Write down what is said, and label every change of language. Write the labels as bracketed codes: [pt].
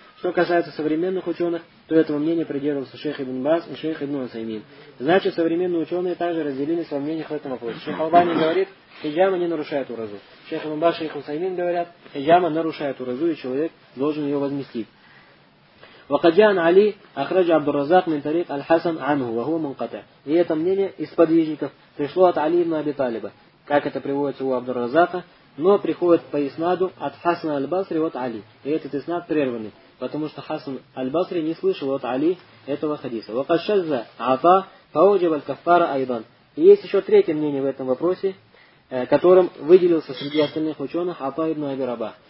[ru] Что касается современных ученых, то этого мнения придерживался шейх Ибн Бас и шейх Ибн Усаймин. Значит, современные ученые также разделились во мнениях в этом вопросе. Шейх Албани говорит, хиджама не нарушает уразу. Шейх Ибн Бас и шейх Усаймин говорят, хиджама нарушает уразу, и человек должен ее возместить. [ar] وقديان علي أخرج عبد الرزاق من طريق الحسن عنه وهو منقطع. [ru] И это мнение из подвижников пришло от Али ибн Аби Талиба, как это приводится у Абду Разака, но приходит по иснаду от Хасана аль-Басри от Али. И этот иснад прерванный, потому что Хасан аль-Басри не слышал от Али этого хадиса. [ar] وقد شذ عطاء فوجب الكفارة أيضا. [ru] И есть еще третье мнение в этом вопросе, которым выделился среди остальных ученых Ата ибн Аби Рабах.